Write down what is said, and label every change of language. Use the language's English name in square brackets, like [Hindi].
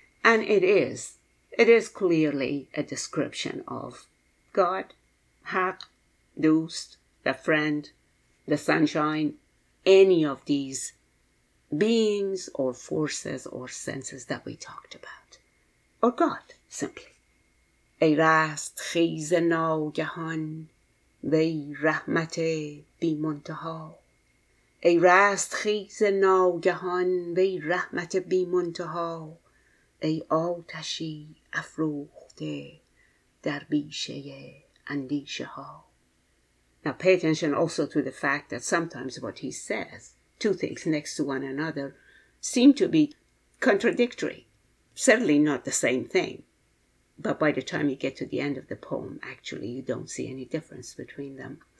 [English] And it is clearly a description of God, Haq, Dost, the friend, the sunshine, any of these beings or forces or senses that we talked about, or God, simply. [Persian] ای راست خیز ناگهان وی رحمت بی منتها ای راست خیز ناگهان وی رحمت بی منتها ای آتشی افروخته در بیشه اندیشه ها. [English] Now pay attention also to the fact that sometimes what he says, two things next to one another, seem to be contradictory. Certainly not the same thing. But by the time you get to the end of the poem, actually, you don't see any difference between them.